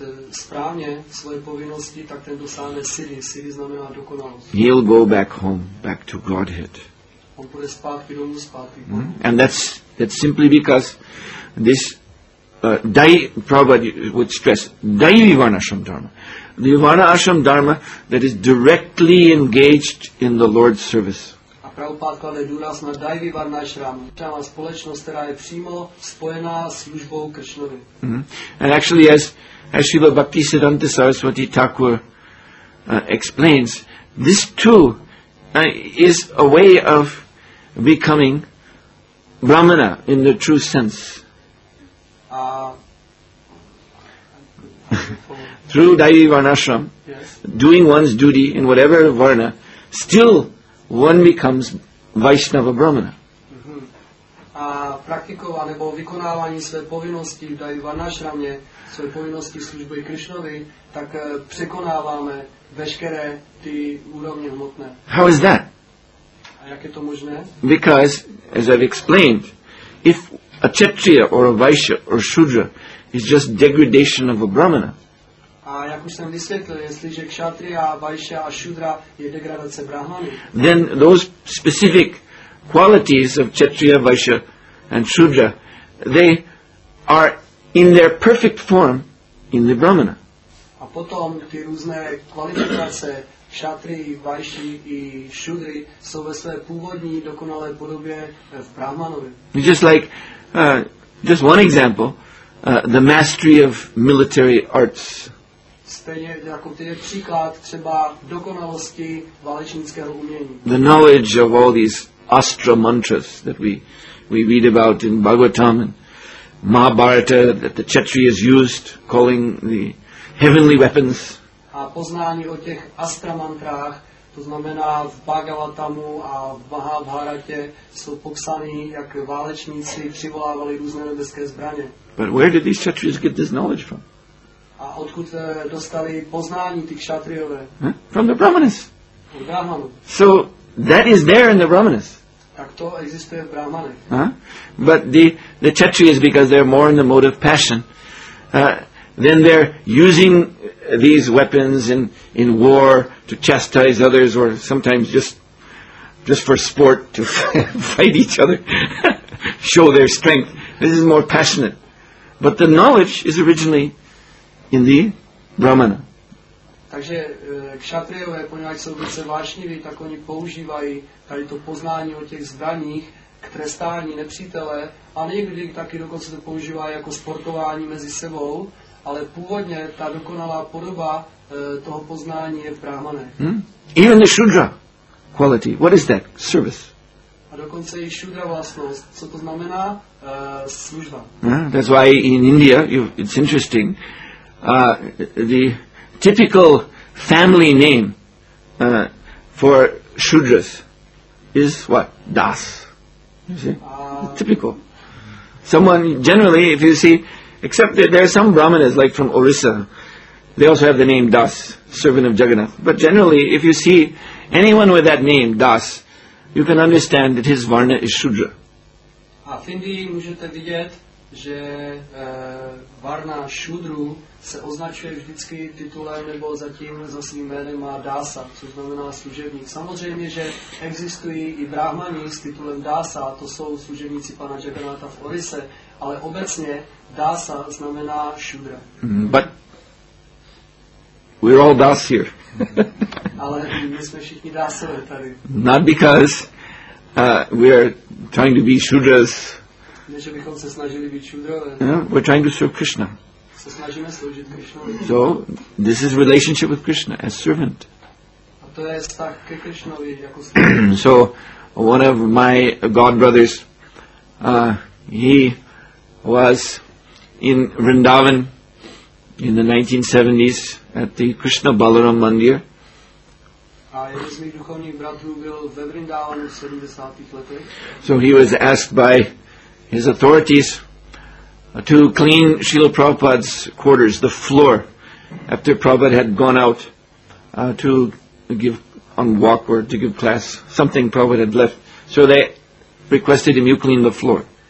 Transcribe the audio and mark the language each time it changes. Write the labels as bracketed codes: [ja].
[cs] správně svoje povinnosti, tak ten dosáhne Siri. Siri znamená dokonalost. [en] He'll go back home, back to Godhead. [cs] On půjde zpátky domů, zpátky. [en] And that's simply because this Dai Prabhupada would stress Dai Vivana Ashram Dharma. The Vivana Ashram Dharma that is directly engaged in the Lord's service. [cs] A Prabhupada klade důraz na Dai Vivana Ashram, tam společnost, která je přímo spojená s službou Krishnovi. [en] And actually, as Srila Bhakti Siddhanta Saraswati Thakur explains, this too is a way of becoming Brahmana in the true sense. Through Daivi Varnashram, yes. Doing one's duty in whatever Varna, still one becomes Vaishnava Brahmana. Mm-hmm. [cs] A praktikova, nebo vykonávání své povinnosti v Daivi Varnashramě, své povinnosti služby Krishnovi, tak překonáváme veškeré ty úrovně hmotné. [en] How is that? [cs] A jak je to možné? [en] Because, as I've explained, if a Kshatriya or a Vaishya or Shudra is just degradation of a Brahmana. [cs] A jak už jsem vysvětlil, jestliže Kshatriya, Vaishya a Shudra je degradace Brahmany, [en] then those specific qualities of Kshatriya, Vaishya and Shudra, they are in their perfect form in the Brahmana. [cs] A potom ty různé kvalifikace Kshatriyi, Vaishyi i Shudri jsou ve své původní dokonalé podobě v Brahmanovi. [en] Just like just one example, the mastery of military arts. [cs] Stejně jako to je příklad třeba dokonalosti válečnického umění. [en] The knowledge of all these astra mantras that we read about in Bhagavatam and Mahabharata that the Kshatriyas used calling the heavenly weapons. [cs] A poznání o těch astra mantrách, to znamená v Bhagavatamu a v Mahabharatě jsou popsány, jak válečníci přivolávali různé nebeské zbraně. [en] But where did these kshatriyas get this knowledge from? [cs] A odkud dostali poznání ty kshatriyové? [en] From the Brahmanas. [cs] Od Brahmanů. [en] So that is there in the Brahmanas. [cs] Tak to existuje v Brahmanech. [en] But the kshatriyas, because they're more in the mode of passion, then they're using these weapons in war to chastise others, or sometimes just for sport to fight each other, show their strength. This is more passionate. But the knowledge is originally in the Brahmana. [cs] Takže kšatriové, poněvadž jsou více vášniví, tak oni používají tady to poznání o těch zbraních k trestání nepřítele, a někdy taky dokonce to používají jako sportování mezi sebou. Ale původně ta dokonalá podoba toho poznání je v Brahmane. [en] Even the Shudra quality. What is that? Service. [cs] A dokonce i Shudra vlastnost. Co to znamená? Služba. [en] That's why in India, it's interesting, the typical family name for Shudras is what? Das. You see? Typical. Someone, generally, if you see, except that there are some Brahmanas, like from Orissa, they also have the name Das, servant of Jagannath. But generally, if you see anyone with that name, Das, you can understand that his Varna is Shudra. [cs] A v Indii můžete vidět, že Varna Shudru se označuje vždycky titulem nebo zatím za svým jménem má Dasa, což znamená služebník. Samozřejmě, že existují i Brahmani s titulem Dasa, a to jsou služebníci pana Jagannatha v Orise, ale obecně Dasa znamená Shudra. [en] But we're all Das here. [cs] Ale my jsme všichni Dasové tady. [en] Not because we are trying to be Shudras. [cs] Ne, že bychom se snažili být Shudrové. [en] We're trying to serve Krishna. [cs] Se snažíme sloužit Krishnovi. [en] So this is relationship with Krishna as servant. [cs] A to je vztah ke Krishnovi jako [en] servant. So one of my god brothers, he was in Vrindavan in the 1970s at the Krishna Balaram Mandir. [cs] A jeden z mých duchovních bratrů byl ve Vrindavanu v 70. letech. [en] So he was asked by his authorities to clean Srila Prabhupada's quarters, the floor, after Prabhupada had gone out to give on walk or to give class, something Prabhupada had left. So they requested him, you clean the floor.